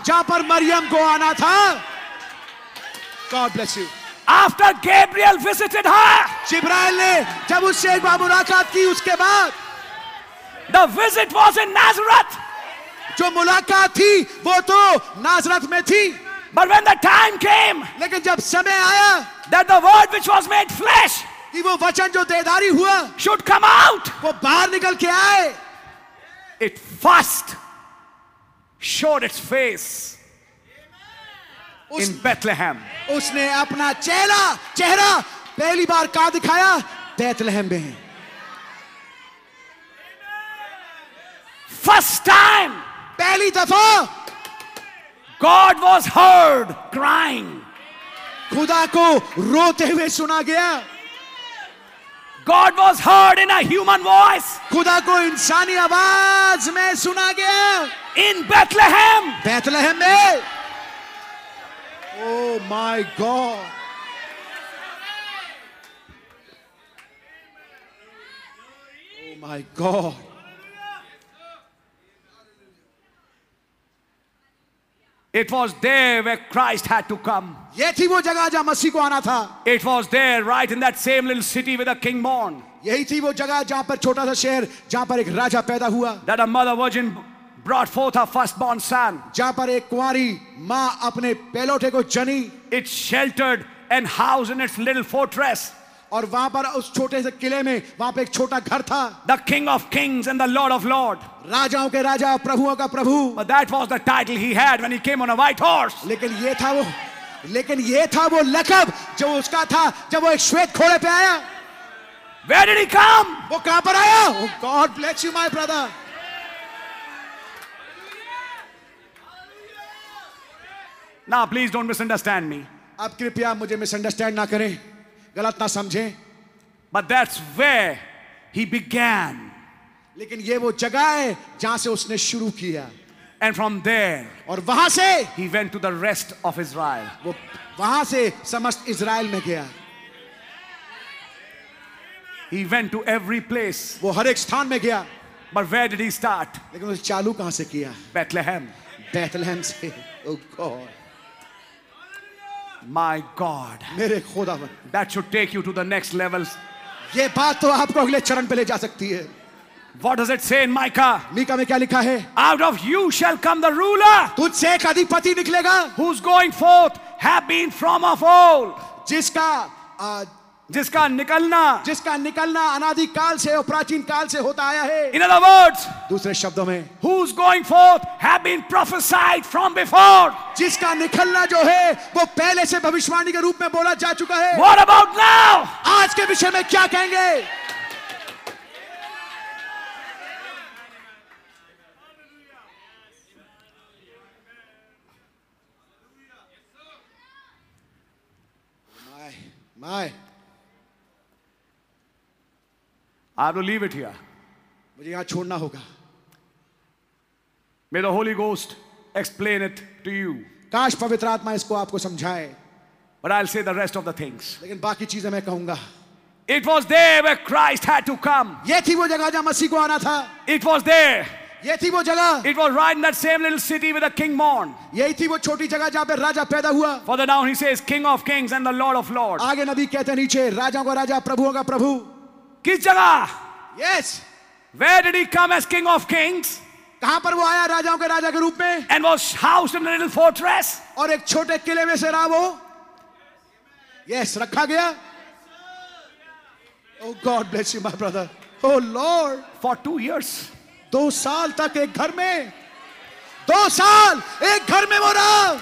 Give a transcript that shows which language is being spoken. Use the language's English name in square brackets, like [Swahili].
[Hindi] जहां पर मरियम को आना था [English] God bless you after Gabriel visited her [Hindi] जिब्राइल ने जब उससे एक बार मुलाकात की उसके बाद [English] the visit was in Nazareth [Hindi] जो मुलाकात थी वो तो नाजरत में थी [English] But when the time came, [Hindi] लेकिन जब समय आया [English] that the word which was made flesh, [Hindi] कि वो वचन जो देदारी हुआ [English] should come out, [Hindi] वो बाहर निकल के आए [English] it first showed its face in Bethlehem. [Hindi] उसने अपना चेहरा पहली बार कहाँ दिखाया बैतलहम में [English] first time [Hindi] पहली दफा [English] God was heard crying. [Hindi] खुदा को रोते हुए सुना गया [English] God was heard in a human voice. [Hindi] खुदा को इंसानी आवाज में सुना गया [English] In Bethlehem. [Hindi] बैतलहम में [English] Oh my God. Oh my God. It was there where Christ had to come. [Hindi] ये थी वो जगह जहाँ मसीह को आना था. [English] It was there, right in that same little city with a king born. [Hindi] यही थी वो जगह जहाँ पर छोटा सा शहर, जहाँ पर एक राजा पैदा हुआ. [English] That a mother virgin brought forth her firstborn son. [Hindi] जहाँ पर एक कुंवारी माँ अपने पहलौठे को जनी. [English] It sheltered and housed in its little fortress. [Hindi] और वहां पर उस छोटे से किले में वहां पर एक छोटा घर था [English] the king of kings and the lord of lord [Hindi] राजाओं के राजा प्रभुओं का प्रभु [English] But that was the title he had when he came on a white horse. [Hindi] लेकिन ये था वो लकब जो उसका था जब वो एक श्वेत घोड़े पे आया [English] Where did he come? [Hindi] वो कहां पर आया [English] Oh, God bless you, my brother. Now, please don't misunderstand me. [Hindi] आप कृपया मुझे मिसअंडरस्टैंड ना करें गलत ना समझे [English] But that's where he began. [Hindi] लेकिन ये वो जगह है जहां से उसने शुरू किया [English] And from there, [Hindi] और वहां से [English] he went to the rest of Israel. [Hindi] वो वहां से समस्त इज़राइल में गया [English] He went to every place. [Hindi] वो हर एक स्थान में गया [English] But where did he start? [Hindi] लेकिन उसने चालू कहां से किया [English] Bethlehem. Bethlehem से Oh God. My God, [Hindi] मेरे खुदावन, [English] that should take you to the next levels. [Hindi] ये बात तो आपको अगले चरण पे ले जा सकती है. [English] What does it say in Micah? [Hindi] Mika में क्या लिखा है? [English] Out of you shall come the ruler. [Hindi] तुझसे एक अधिपति निकलेगा. [English] Whose going forth have been from of old. [Hindi] जिसका निकलना अनादि काल से और प्राचीन काल से होता आया है. [English] In other words, [Hindi] दूसरे शब्दों में, [English] whose going forth have been prophesied from before. [Hindi] जिसका निकलना जो है, वो पहले से भविष्यवाणी के रूप में बोला जा चुका है. [English] What about now? [Hindi] आज के विषय में क्या कहेंगे? [English] My. I have to leave it here. [Hindi] मुझे यहाँ छोड़ना होगा. [English] May the Holy Ghost explain it to you. [Hindi] काश पवित्र आत्मा इसको आपको समझाए. [English] But I'll say the rest of the things. [Hindi] लेकिन बाकी चीजें मैं कहूँगा. [English] It was there where Christ had to come. [Hindi] ये थी वो जगह जहाँ मसीह को आना था. [English] It was there. [Hindi] ये थी वो जगह. [English] It was right in that same little city with a king born. [Hindi] यही थी वो छोटी जगह जहाँ पे राजा पैदा हुआ. [English] Further down he says, King of Kings and the Lord of Lords. [Hindi] आगे नबी कहते नीचे राजाओं का राजा प्रभुओं का प्रभु. किस जगह [English] Yes. Where did he come as King of Kings? [Hindi] कहां पर वो आया राजाओं के राजा के रूप में [English] and was housed in a little fortress [Hindi] और एक छोटे किले में से रहा वो यस रखा गया [English] oh God bless you my brother oh lord for two years [Hindi] दो साल तक एक घर में दो साल एक घर में वो रहा